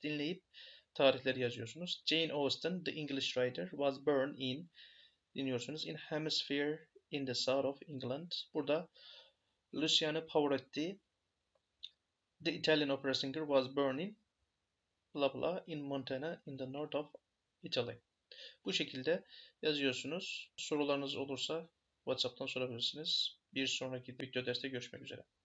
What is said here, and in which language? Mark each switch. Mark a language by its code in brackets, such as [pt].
[tr] Dinleyip tarihleri yazıyorsunuz. [en] Jane Austen, the English writer, was born in. [tr] Dinliyorsunuz. [en] In Hampshire, in the south of England. Burada Luciano Pavarotti, the Italian opera singer, was born in. Blah blah, in Montana, in the north of Italy. [tr] Bu şekilde yazıyorsunuz. Sorularınız olursa WhatsApp'tan sorabilirsiniz. Bir sonraki video derste görüşmek üzere.